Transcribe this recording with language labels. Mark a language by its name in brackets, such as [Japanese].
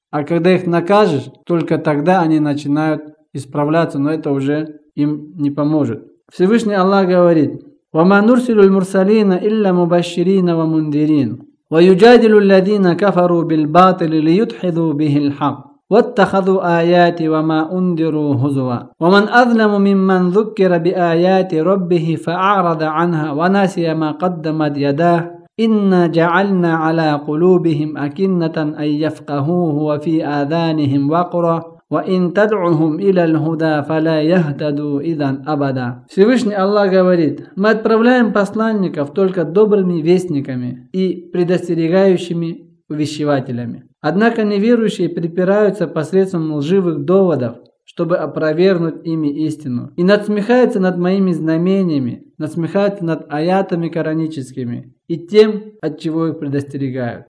[Russian] А когда их накажешь, только тогда они начинают исправляться, но это уже им не поможет. Всевышний Аллах говорит: [Arabic] «Вама нурсилю ль-мурсалина илля мубаширина ва мундирин, ва юджадилю ль-ладина кафару биль-батили ли ютхиду бихиль-хак». واتخذوا آياتي وما أنذروا هزوا ومن أظلم ممن ذكر بآيات ربه فأعرض عنها ونسي ما قدمت يداه إنا جعلنا على قلوبهم أكنة أن يفقهوه وفي آذانهم وقرا وإن تدعهم إلى الهدى فلا يهتدوا إذا أبدا. [Russian] Всевышний Аллах говорит: мы отправляем посланников только добрыми вестниками и предостерегающими увещевателями. Однако неверующие препираются посредством лживых доводов, чтобы опровергнуть ими истину. И надсмехаются над моими знамениями, надсмехаются над аятами кораническими и тем, от чего их предостерегают.